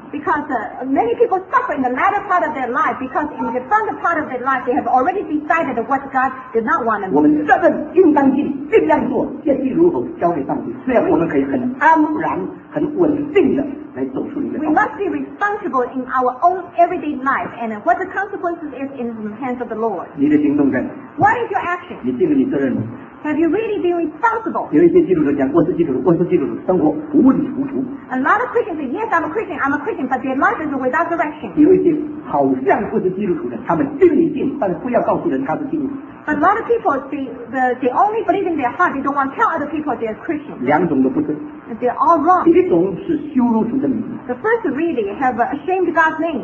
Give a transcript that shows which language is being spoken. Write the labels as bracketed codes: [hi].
[en] Because many people suffer in the latter part of their life because in the front part of their life they have already decided what God did not want them to do. [zh] 我们责任应当尽，尽量做，建议如何交给上帝，这样我们可以很安然很稳定的来走出你的道路。 [en] We must be responsible in our own everyday life and what the consequences is in the hands of the Lord. [zh] 你的行动在哪？ [en] What is your action? [zh] 你尽了你责任吗？ [en] Have you really been responsible? [zh] 有一些基督徒讲，我是基督徒，我是基督徒，生活糊里糊涂。 [en] A lot of Christians say, "Yes, I'm a Christian, I'm a Christian," but their life is without direction. [zh] 有一些好像不是基督徒的，他们信一信，但是不要告诉人他是基督徒。 [en] But a lot of people they only believe in their heart. They don't want to tell other people they are Christians. [zh] 两种都不是。 [en] They're all wrong. [zh] 第一种是羞辱神的名。 [en] The first really have ashamed God's name.